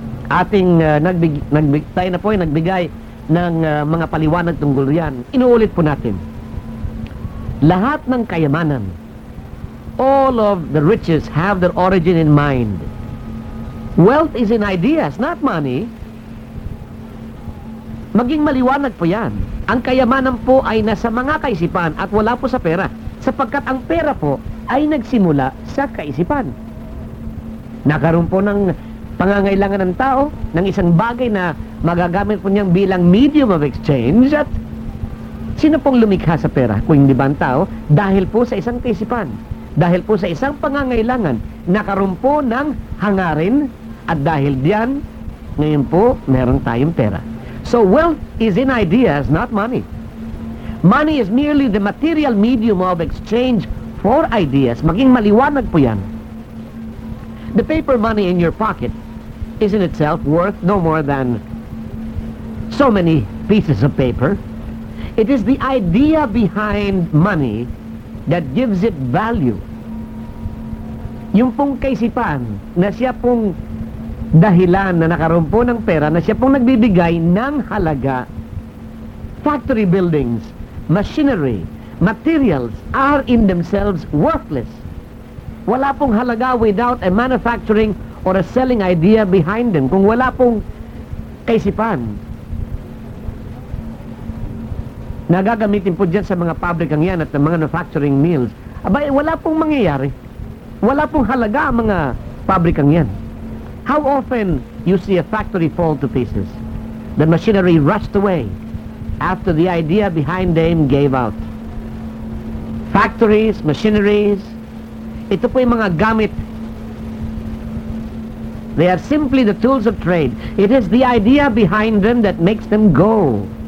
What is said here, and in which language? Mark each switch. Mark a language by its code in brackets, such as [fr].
[tl] Ating tayo na po ay nagbigay ng mga paliwanag tungkol yan. Inuulit po natin. Lahat ng kayamanan, [en] all of the riches have their origin in mind. Wealth is in ideas, not money. [tl] Maging maliwanag po yan. Ang kayamanan po ay nasa mga kaisipan at wala po sa pera, sapagkat ang pera po ay nagsimula sa kaisipan. Nakaroon po ng pangangailangan ng tao ng isang bagay na magagamit po niyang bilang [en] medium of exchange, [tl] at sino pong lumikha sa pera kung hindi ba ang tao? Dahil po sa isang kaisipan, dahil po sa isang pangangailangan, nakaroon po ng hangarin, at dahil diyan, ngayon po meron tayong pera. [en] So wealth is in ideas, not money. Money is merely the material medium of exchange for ideas. [tl] Maging maliwanag po yan. [en] The paper money in your pocket is in itself worth no more than so many pieces of paper. It is the idea behind money that gives it value. [tl] Yung pong kaisipan na siya pong dahilan na nakaroon po ng pera, na siya pong nagbibigay ng halaga. [en] Factory buildings, machinery, materials are in themselves worthless. [tl] Wala pong halaga [en] without a manufacturing or a selling idea behind them. [tl] Kung wala pong kaisipan na gagamitin po dyan sa mga pabrikang yan at [en] manufacturing mills, [tl] abay, wala pong mangyayari. Wala pong halaga ang mga pabrikang yan. [en] How often you see a factory fall to pieces? The machinery rushed away after the idea behind them gave out. Factories, machineries, [tl] ito po yung mga gamit. [en] They are simply the tools of trade. It is the idea behind them that makes them go.